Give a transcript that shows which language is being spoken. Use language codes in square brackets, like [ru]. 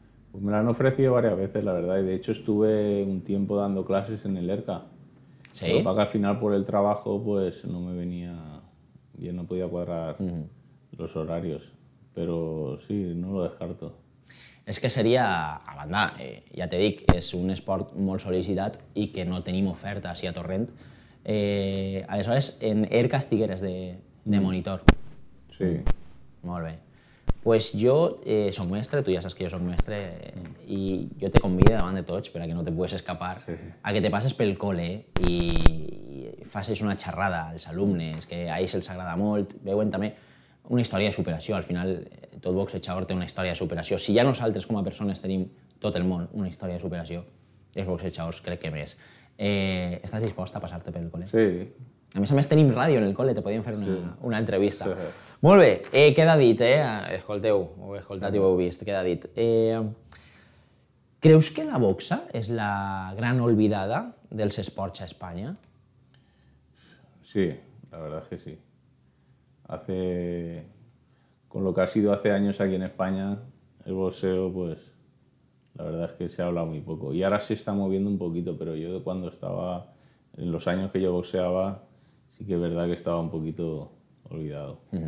[es] Pues me la han ofrecido varias veces, la verdad, y de hecho estuve un tiempo dando clases en el ERCA, ¿sí? Pero para que al final por el trabajo pues no me venía bien, no podía cuadrar los horarios, pero sí, no lo descarto. [ca] És que seria, a banda, ja te dic, és un esport molt sol·licitat i que no tenim oferta així a Torrent. Aleshores, en ERCA estigueres de monitor. Sí. Molt bé. Pues jo soc mestre, tu ja saps que jo soc mestre, i jo te convido davant de tots, perquè no te puguis escapar, a que te passes pel col·le i facis una xerrada als alumnes, que a ells els agrada molt, veuen també una història de superació, al final tot boxejador té una història de superació. Si ja nosaltres com a persones tenim tot el món una història de superació, els boxejadors crec que més. Estàs disposta a passar-te pel col·le? [es] Sí. [ca] A més tenim ràdio en el col·le, te podíem fer una entrevista. Sí. Molt bé, queda dit, escolteu, ho he escoltat i ho heu vist, queda dit. Creus que la boxa és la gran oblidada dels esports a Espanya? [es] Sí, la verdad es que sí. Hace, con lo que ha sido hace años aquí en España, el boxeo, pues, la verdad es que se habla muy poco. Y ahora se está moviendo un poquito, pero yo de cuando estaba, en los años que yo boxeaba, sí que es verdad que estaba un poquito olvidado.